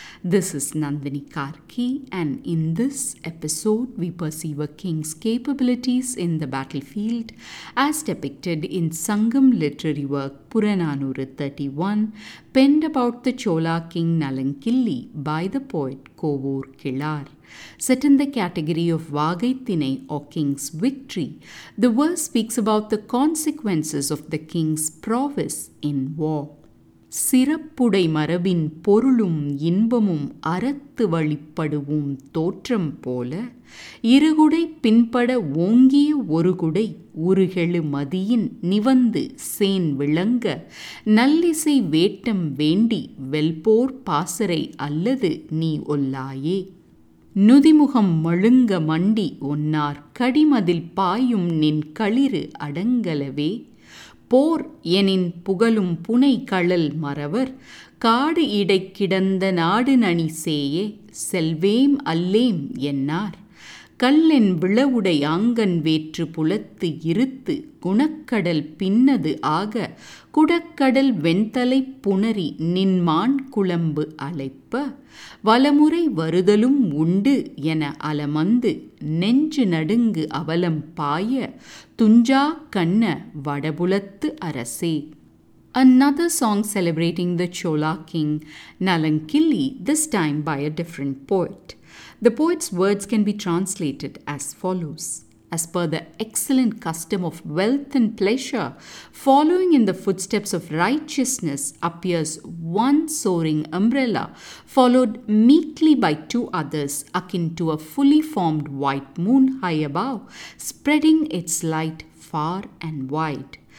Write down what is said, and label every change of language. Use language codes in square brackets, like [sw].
[en] This is Nandini Karki, and in this episode we perceive a king's capabilities in the battlefield as depicted in Sangam literary work Purananuru 31, penned about the Chola king Nalankilli by the poet Kovoor Kilar. Set in the category of Vagaitine or King's Victory, the verse speaks about the consequences of the king's prowess in war. [ta] சிறப்புடை மரபின் பொருளும் இன்பமும் அறத்து வழிப்படுவோம் தோற்றம் போல இருகுடை பின்பட ஓங்கிய ஒரு குடை உருகெழு மதியின் நிவந்து சேன் விளங்க நல்லிசை வேட்டம் வேண்டி வெல்போர் பாசரை அல்லது நீ ஒல்லாயே நுதிமுகம் மழுங்க மண்டி ஒன்னார் கடிமதில் பாயும் நின் களிறு அடங்கலவே போர் எனின் புகழும் புனை கழல் மறவர் காடு இடை கிடந்த நாடு நனி சேயே செல்வேம் அல்லேம் என்னார் கல்லென் விளவுடை ஆங்கன் வேற்று புலத்து இருத்து குணக்கடல் பின்னது ஆக குடக்கடல் வெண்தலை புணரி நின்மான் குழம்பு அழைப்ப வலமுறை வருதலும் உண்டு என அலமந்து நெஞ்சு நடுங்கு அவலம் பாய துஞ்சா கண்ண வடபுலத்து அரசே. [en] Another song celebrating the Chola king Nalankilli, this time by a different poet. The poet's words can be translated as follows. As per the excellent custom of wealth and pleasure, following in the footsteps of righteousness appears one soaring umbrella, followed meekly by two others, akin to a fully formed white moon high above, spreading its light far and wide.